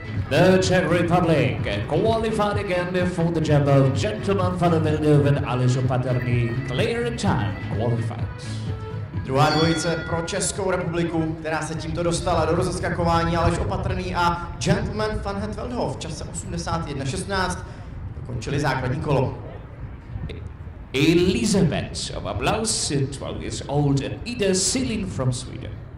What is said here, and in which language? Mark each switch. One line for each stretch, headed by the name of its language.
English: The Czech Republic qualified again before the jump of Gentleman Van Veldhoven and Aleš Opatrný. Clear in time qualified.
Czech: Druhá dvojice pro Českou republiku, která se tímto dostala do rozeskakování, Aleš Opatrný a Gentleman Van Het Veldhof v čase 81.16 dokončili základní kolo.
English: Elizabeth of Ablaus, 12 years old, and Ida Silin from Sweden.